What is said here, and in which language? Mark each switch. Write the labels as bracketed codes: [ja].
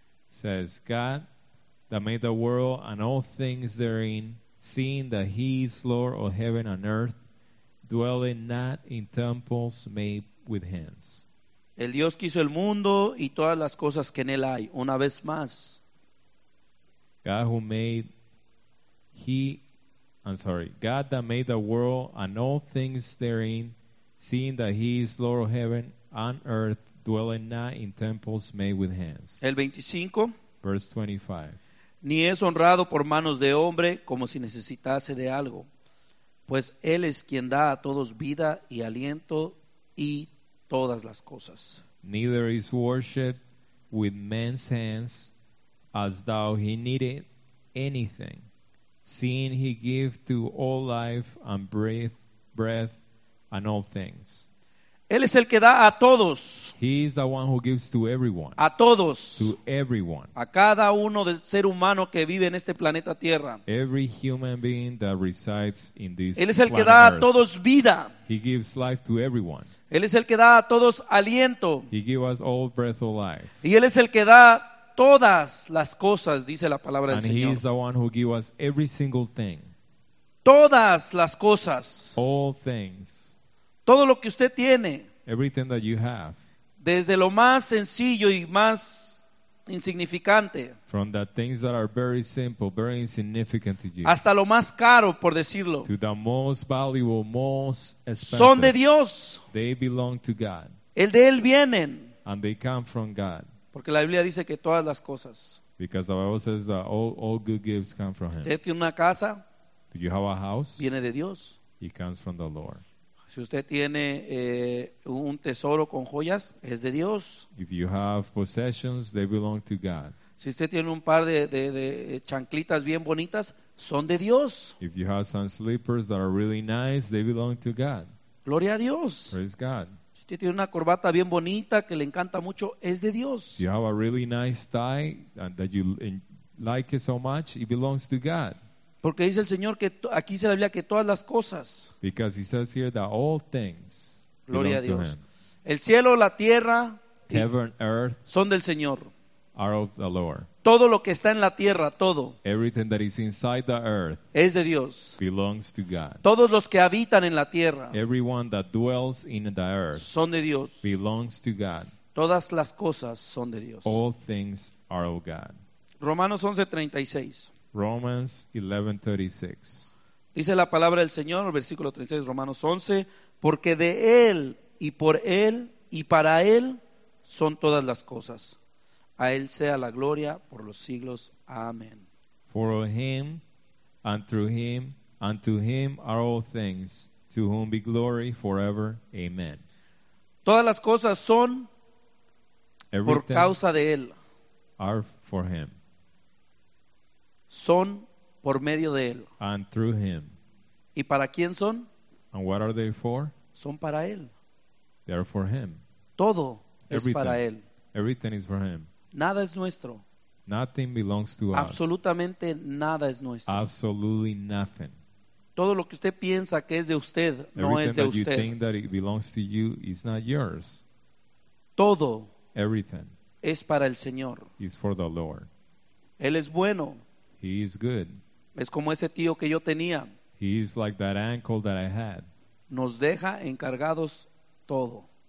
[en] It says, God, that made the world and all things therein, seeing that he is Lord of heaven and earth, dwelling not in temples made with hands. [es] El Dios que hizo el mundo y todas las cosas que en él hay. Una vez más. [en] God that made the world and all things therein, seeing that he is Lord of heaven and earth, dwelling not in temples made with hands. [es] El 25. [en] Verse 25. [es] Ni es honrado por manos de hombre como si necesitase de algo, pues él es quien da a todos vida y aliento y todas las cosas. [en] Neither is worshipped with men's hands as though he needed anything, seeing he gives to all life and breath and all things. [es] Él es el que da a todos. [en] He is the one who gives to everyone. [es] A todos. [en] To everyone. [es] A cada uno de ser humano que vive en este planeta Tierra. [en] Every human being that resides in this planet. [es] Él es el que da a todos vida. [en] He gives life to everyone. [es] Él es el que da a todos aliento. [en] He gives us all breath of life. [es] Y él es el que da todas las cosas, dice la palabra del Señor. [en] And he is the one who gives us every single thing. [es] Todas las cosas. [en] All things. [es] Todo lo que usted tiene. [en] Everything that you have. [es] Desde lo más sencillo y más insignificante. [en] From the things that are very simple, very insignificant to you. [es] Hasta lo más caro, por decirlo. [en] To the most valuable, most expensive. [es] Son de Dios. [en] They belong to God. [es] El de él vienen. [en] And they come from God. [es] Porque la Biblia dice que todas las cosas. [en] Because the Bible says that all good gifts come from him. [es] Usted tiene una casa. [en] Do you have a house? [es] Viene de Dios. [en] It comes from the Lord. [es] Si usted tiene un tesoro con joyas, es de Dios. [en] If you have possessions, they belong to God. [es] Si usted tiene un par de chanclitas bien bonitas, son de Dios. [en] If you have some slippers that are really nice, they belong to God. [es] Gloria a Dios. [en] Praise God. [es] Si usted tiene una corbata bien bonita que le encanta mucho, es de Dios. [en] If you have a really nice tie that you like it so much, it belongs to God. [es] Porque dice el Señor que aquí se le habla que todas las cosas. [en] Because he says here that all things. [es] Gloria a Dios. El cielo, la tierra. [en] Heaven, earth. [es] Son del Señor. [en] Are of the Lord. [es] Todo lo que está en la tierra, todo. [en] Everything that is inside the earth. [es] Es de Dios. [en] Belongs to God. [es] Todos los que habitan en la tierra. [en] Everyone that dwells in the earth. [es] Son de Dios. [en] Belongs to God. [es] Todas las cosas son de Dios. [en] All things are of God. [es] Romanos 11:36. [en] Romans 11:36. [es] Dice la palabra del Señor, versículo 36, Romanos 11, porque de él y por él y para él son todas las cosas. A él sea la gloria por los siglos. Amén. [en] For him and through him and to him are all things, to whom be glory forever. Amen. [es] Todas las cosas son por causa de él. [en] Are for him. [es] Son por medio de él. [en] And through him. [es] ¿Y para quién son? [en] And what are they for? [es] Son para él. [en] They are for him. [es] Todo es para él. [en] Everything is for him. [es] Nada es nuestro. [en] Nothing belongs to us. [es] Absolutamente nada es nuestro. [en] Absolutely nothing. [es] Todo lo que usted piensa que es de usted, [en] everything [es] no es de usted. [en] Everything that you think that it belongs to you is not yours. [es] Todo. [en] Everything. [es] Es para el Señor. [en] Is for the Lord. [es] Él es bueno. [en] He is good. [es] Es como ese tío que yo tenía. [en] He is like that uncle that I had. [es] Nos deja encargados todo.